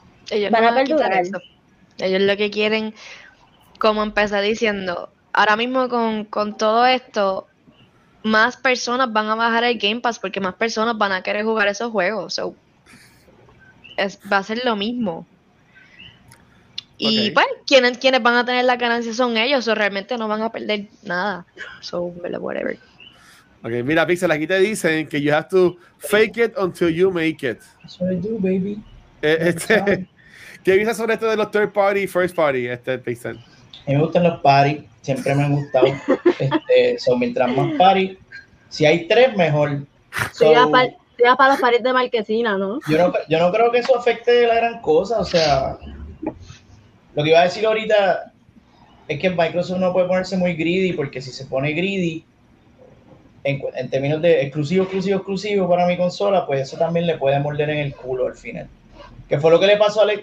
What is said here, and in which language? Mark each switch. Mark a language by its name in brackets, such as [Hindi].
[Spanish] Ellos van a perdurar eso. Ellos lo que quieren, como empecé diciendo, ahora mismo con todo esto, más personas van a bajar el Game Pass porque más personas van a querer jugar esos juegos. Va a ser lo mismo. Okay. Y bueno, quienes van a tener la ganancia son ellos, realmente no van a perder nada. [English] Whatever. [Spanish] Ok, mira, Pixel, aquí te dicen que [English] you have to fake it until you make it. That's what I do, baby. [Spanish] ¿Qué piensas sobre esto de los third party y first party, Pixel? A mí me gustan los party, siempre me han gustado. mientras más party, si hay tres, mejor. Sea para los parties de Marquesina, ¿no? Yo no creo que eso afecte la gran cosa, o sea, lo que iba a decir ahorita es que Microsoft no puede ponerse muy greedy, porque si se pone greedy en términos de exclusivo para mi consola, pues eso también le puede morder en el culo al final. ¿Qué fue lo que le pasó a Alex?